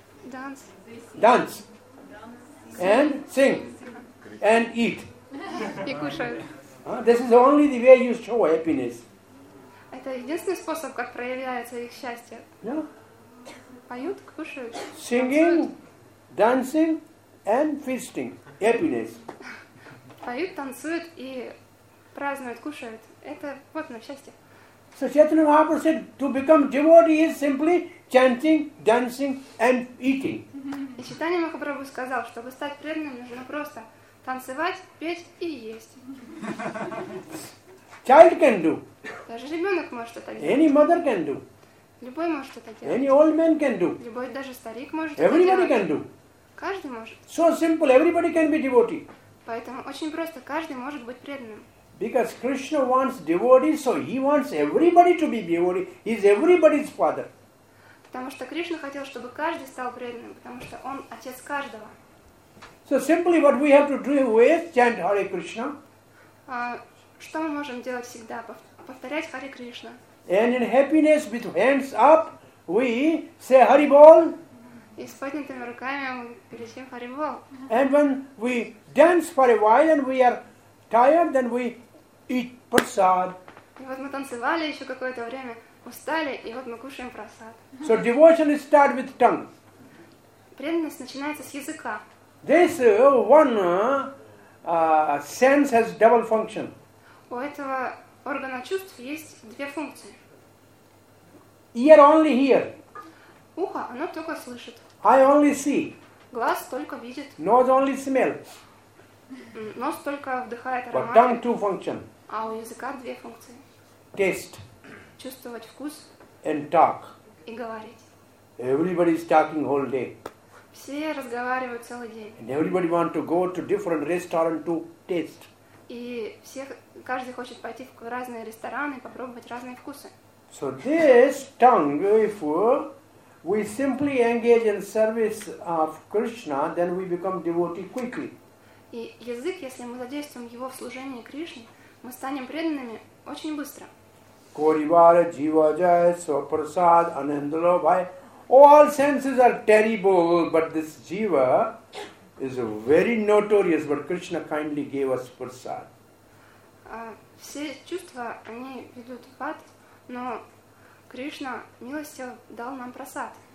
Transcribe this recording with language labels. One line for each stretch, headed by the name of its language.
English: Dance. Dance. And sing. And eat.
Russian: И кушают.
English: This is only the way you show happiness.
Russian: Это единственный способ, как проявляется их счастье.
English: Yeah.
Russian: Поют, кушают.
English: Singing, dancing, and feasting. Happiness.
Russian: Поют, танцуют и празднуют, кушают. Это вот оно, счастье.
English: So Chaitanya Mahaprabhu said, to become devotee is simply chanting, dancing, and eating.
Russian: И Чайтанья Махапрабху сказал, чтобы стать преданным, нужно просто танцевать, петь и есть.
English: Child can do.
Russian: Даже ребенок может это делать.
English: Any mother can do.
Russian: Любой может это делать.
English: Any old man can do.
Russian: Любой даже старик может
English: Everybody
Russian: это делать.
English: Can do.
Russian: Каждый может.
English: So simple, everybody can be devotee.
Russian: Поэтому очень просто, каждый может быть преданным.
English: Because Krishna wants devotees, so he wants everybody to be devotee. He is everybody's father.
Russian: Потому что Кришна хотел, чтобы каждый стал преданным, потому что он отец каждого.
English: So simply what we have to do is chant Hare Krishna.
Russian: Что мы можем делать всегда? Повторять Hare Krishna.
English: And in happiness with hands up, we say Hare Bol.
Russian: И с поднятыми руками мы кричим Hare Bol.
English: And when we dance for a while and we are tired, then we eat prasad.
Russian: И вот мы танцевали еще какое-то время, устали, и вот мы кушаем прасад.
English: So devotion is start with tongue.
Russian: Преданность начинается с языка.
English: This one sense has double function.
Russian: У этого органа чувств есть две функции.
English: Ear only hear.
Russian: Ухо, оно только слышит.
English: I only see.
Russian: Глаз только видит.
English: Nose only smell.
Russian: Нос только вдыхает ароматы.
English: But tongue two function.
Russian: А у языка две функции.
English: Taste.
Russian: Чувствовать вкус.
English: And talk.
Russian: И говорить.
English: Everybody is talking whole day.
Russian: Все разговаривают целый день.
English: And everybody want to go to different restaurant to taste.
Russian: И все, каждый хочет пойти в разные рестораны и попробовать разные вкусы.
English: So this tongue, if we simply engage in service of Krishna, then we become devotee quickly.
Russian: И язык, если мы задействуем его в служении Кришне, мы станем преданными очень быстро.
Bangla: Коривара джива джая сопрасад анандалобай.
English: All senses are terrible, but this jiva is very notorious, but Krishna kindly gave us prasad.
Russian: Все чувства, они ведут в ад, но Кришна милостиво дал нам прасад.